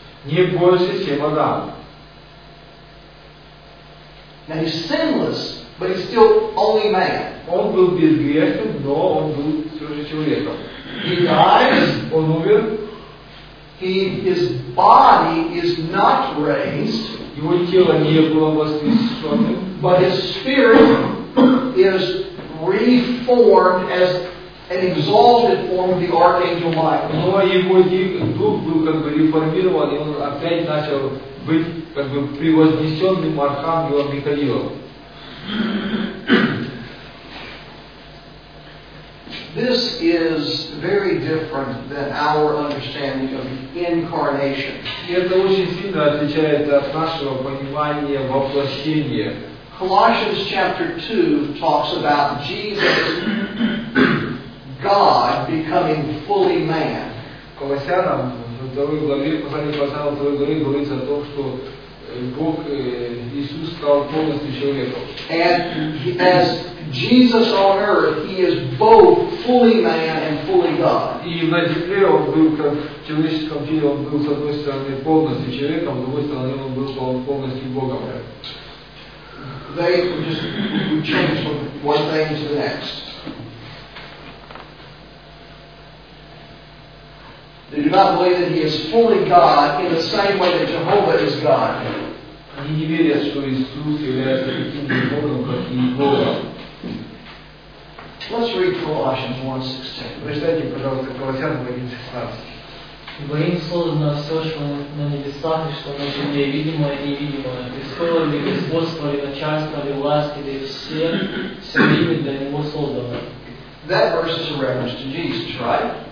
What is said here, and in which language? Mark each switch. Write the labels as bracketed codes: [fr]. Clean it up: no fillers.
[en] Now he's sinless, but he's still only man. [ru] Он был безгрешным, но он был все же человеком. [en] He dies. [ru] Он умер. [en] His body is not raised. [ru] Его тело не было воскрешено. [en] But his spirit is reformed as an exalted form of the archangel Michael. [ru] Но его дух был как бы реформирован, и он опять начал быть как бы превознесенным архангелом Михаилом. [en] This is very different than our understanding of incarnation. [ru] Это очень сильно отличается от нашего понимания воплощения. [en] Colossians chapter 2 talks about Jesus, God, becoming fully man. [ru] Колоссянам в 2 главе говорится о том, что Бог Иисус стал полностью человеком. [en] And as Jesus on earth, he is both fully man and fully God. [ru] И на земле он был как человеческом теле, он был с одной стороны полностью человеком, с другой стороны он был полностью Богом. [en] They just change from one thing to the next. They do not believe that he is fully God in the same way that Jehovah is God. [ru] Они не верят, что Иисус является таким же Богом, как и Бога. [en] Let's read Colossians 1:16. [ru] Прочитайте, пожалуйста, Колоссянам 1:16. Ибо им создано все, что на небесах, и что на земле видимо и невидимое. Престол ли, господство ли, начальство ли, власть ли, все имя для него создано. [en] That verse is a reference to Jesus, right?